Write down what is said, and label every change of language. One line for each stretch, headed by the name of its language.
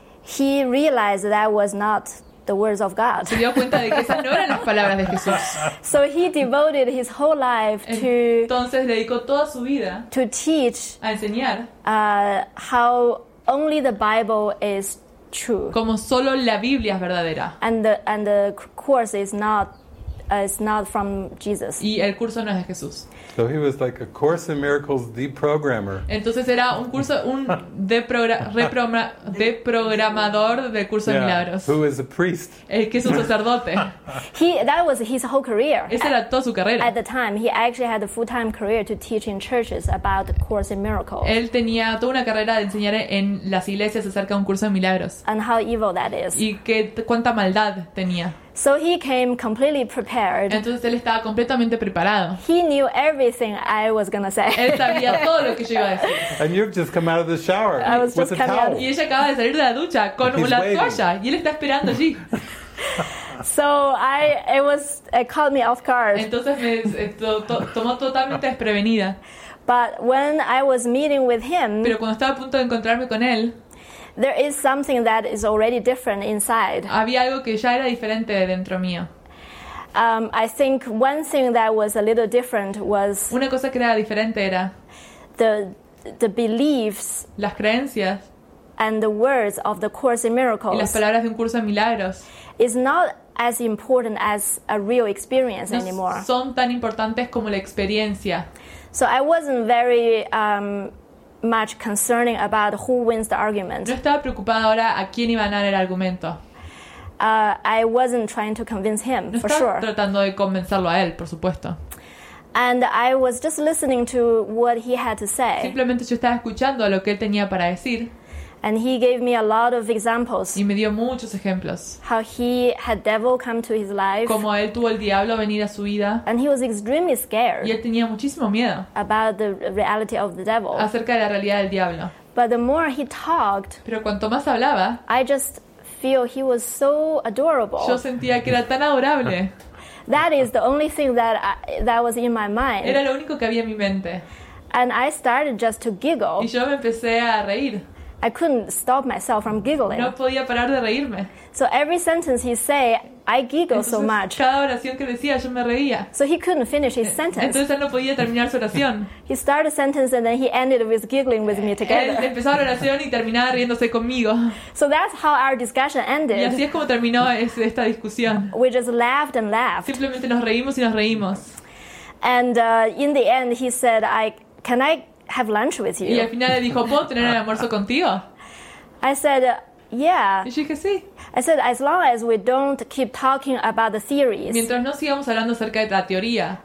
English: He realized that was not the words of God.
Spanish: Se dio cuenta de que esas no eran las palabras de Jesús.
English: So he devoted his whole life to.
Spanish: Entonces dedicó toda su vida.
English: To teach.
Spanish: A enseñar.
English: How only the Bible is true.
Spanish: Como solo la Biblia es verdadera.
English: And the course is not. It's not from Jesus.
Spanish: Y el curso no es de Jesús.
English: So he was like a Course in Miracles deprogrammer.
Spanish: Entonces era un curso un deprogramador del curso de milagros.
English: Who is a priest?
Spanish: El que es un sacerdote.
English: That was his whole career.
Spanish: Esa era toda su carrera.
English: At the time, he actually had a full-time career to teach in churches about the Course in Miracles.
Spanish: Él tenía toda una carrera de enseñar en las iglesias acerca de un curso de milagros.
English: And how evil that is.
Spanish: Y qué cuánta maldad tenía.
English: So he came completely prepared.
Spanish: Entonces él estaba completamente preparado.
English: He knew everything I was going to say.
Spanish: Él sabía todo lo que yo iba a decir.
English: And you've just come out of the shower. I was just coming out.
Spanish: Y ella acaba de salir de la ducha con la toalla. Y él está esperando allí.
English: So it caught me off guard.
Spanish: Entonces me tomó totalmente desprevenida.
English: But when I was meeting with him.
Spanish: Pero cuando estaba a punto de encontrarme con él.
English: There is something that is already different inside.
Spanish: Había algo que ya era diferente dentro mío.
English: I think one thing that was a little different was
Spanish: una cosa que era diferente era
English: the beliefs,
Spanish: las creencias,
English: and the words of the Course in Miracles.
Spanish: Y las palabras de un curso de milagros.
English: Is not as important as a real experience
Spanish: no
English: anymore.
Spanish: Son tan importantes como la experiencia.
English: So I wasn't very much concerning about who wins the argument.
Spanish: No estaba preocupada ahora a quién iba a ganar el argumento.
English: I wasn't trying to convince him,
Spanish: no
English: for sure.
Spanish: Tratando de convencerlo a él, por supuesto.
English: And I was just listening to what he had to say.
Spanish: Simplemente yo estaba escuchando lo que él tenía para decir.
English: And he gave me a lot of examples.
Spanish: Y me dio muchos ejemplos.
English: How he had devil come to his life.
Spanish: Como él tuvo el diablo venir a su vida.
English: And he was extremely scared.
Spanish: Y él tenía muchísimo miedo.
English: About the reality of the devil.
Spanish: Acerca de la realidad del diablo.
English: But the more he talked.
Spanish: Pero cuanto más hablaba.
English: I just feel he was so adorable.
Spanish: Yo sentía que era tan adorable.
English: That is the only thing that was in my mind.
Spanish: Era lo único que había en mi mente.
English: And I started just to giggle.
Spanish: Y yo me empecé a reír.
English: I couldn't stop myself from giggling.
Spanish: No podía parar de reírme.
English: So every sentence he say, I giggle.
Spanish: Entonces,
English: so much.
Spanish: Cada oración que decía, yo me reía.
English: So he couldn't finish his sentence.
Spanish: Entonces él no podía terminar su oración.
English: He started a sentence and then he ended with giggling with me together.
Spanish: Él empezaba la oración y terminaba riéndose conmigo.
English: So that's how our discussion ended.
Spanish: Y así es como terminó esta discusión.
English: We just laughed and laughed.
Spanish: Simplemente nos reímos y nos reímos.
English: And in the end he said, can I have lunch with you?
Spanish: Y al final dijo, ¿puedo tener el almuerzo contigo?
English: I said, Yeah.
Spanish: Y yo dije, sí.
English: I said, as long as we don't keep talking about the theories.
Spanish: Mientras no sigamos hablando acerca de la teoría.